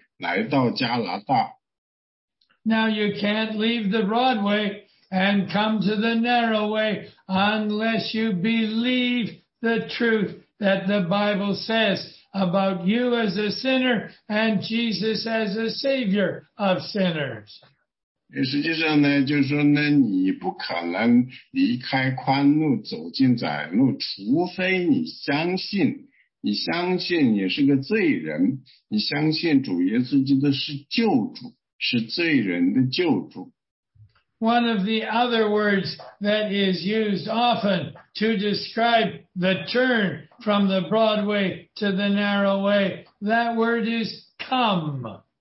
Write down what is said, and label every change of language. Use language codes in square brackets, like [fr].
[zh] 因为他们的祖先们在1812几年或者1813几年或者1814几年呢，他们说呢，如果我们移民到加拿大去，我们的生活呢可能会要好一些。所以呢，最终呢，他们决定了离开苏格兰，来到加拿大。 [en] Now you can't leave the Broadway and come to the narrow way unless you believe the truth that the Bible says about you as a sinner and Jesus as a savior of sinners. [zh] 实际上呢，就是说呢，你不可能离开宽路走进窄路，除非你相信，你相信你是个罪人，你相信主耶稣基督是救主，是罪人的救主。 [en] One of the other words that is used often to describe the turn from the Broadway to the narrow way, that word is come.